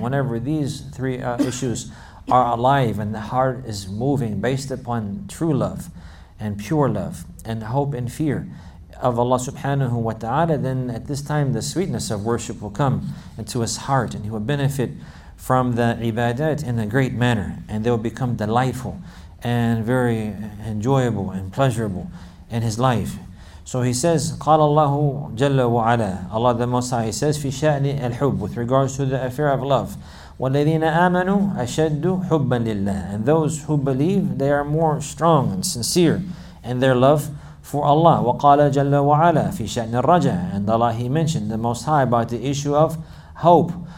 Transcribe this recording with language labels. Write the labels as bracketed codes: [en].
[en] And whenever these three issues are alive and the heart is moving based upon true love and pure love and hope and fear of Allah subhanahu wa ta'ala, then at this time the sweetness of worship will come into his heart and he will benefit from the ibadat in a great manner, and they will become delightful and very enjoyable and pleasurable in his life. So he says, [ar] قَالَ اللَّهُ جَلَّ وَعَلَى. [en] Allah the Most High, he says, [ar] فِي شَأْنِ الْحُبِّ, [en] with regards to the affair of love. [ar] وَالَّذِينَ آمَنُوا أَشَدُّ حُبًّا لِلَّهِ. [en] And those who believe, they are more strong and sincere in their love for Allah. [ar] وَقَالَ جَلَّ وَعَلَى فِي شَأْنِ الرَّجَعِ. [en] And Allah, he mentioned the Most High about the issue of hope.